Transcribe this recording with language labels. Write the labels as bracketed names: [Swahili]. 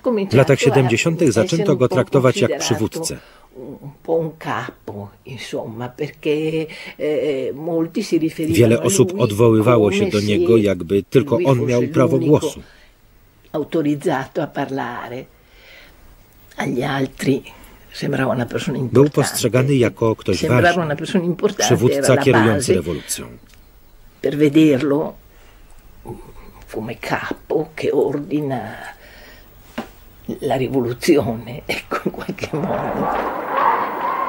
[Polish] W latach 70. zaczęto go traktować jak przywódcę. [Italian] un po' un capo, insomma, perché molti si riferivano. [Polish] Wiele osób odwoływało się do niego, jakby tylko on miał prawo głosu. [Italian] Autorizzato a parlare. Agli altri sembrava una persona importante. [Polish] Był postrzegany jako ktoś ważny. Przywódca kierujący rewolucją. [Italian] Per vederlo come capo che ordina la rivoluzione, ecco, in qualche modo.